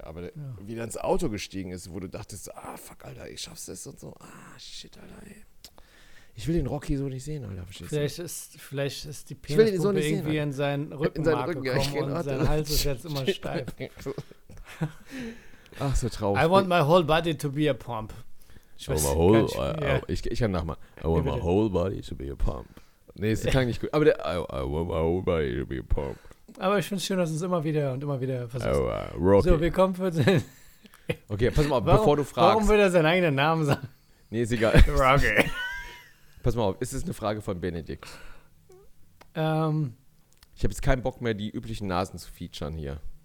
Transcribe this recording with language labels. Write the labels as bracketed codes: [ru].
[de] Aber wie er ins Auto gestiegen ist, wo du dachtest, ah, fuck, Alter, ich schaff's das und so, ah, shit, Alter, ey. Ich will den Rocky so nicht sehen, Alter. Vielleicht ist die Penispumpe so irgendwie sehen, in seinen Rücken gekommen, ja, und sein Hals ist jetzt immer steif. Ach, so traurig. [en] I want my whole body to be a pump. I want my whole body to be a pump. [de] Nee, es klang nicht gut. [en] Aber I want my whole body to be a pump. [de] Aber ich finde es schön, dass du es immer wieder versuchst. Rocky. So, wir kommen für den. Okay, pass mal auf, bevor du fragst. Warum will er seinen eigenen Namen sagen? Nee, ist egal. Rocky. Pass mal auf, ist es eine Frage von Benedikt? Ich habe jetzt keinen Bock mehr, die üblichen Nasen zu featuren hier.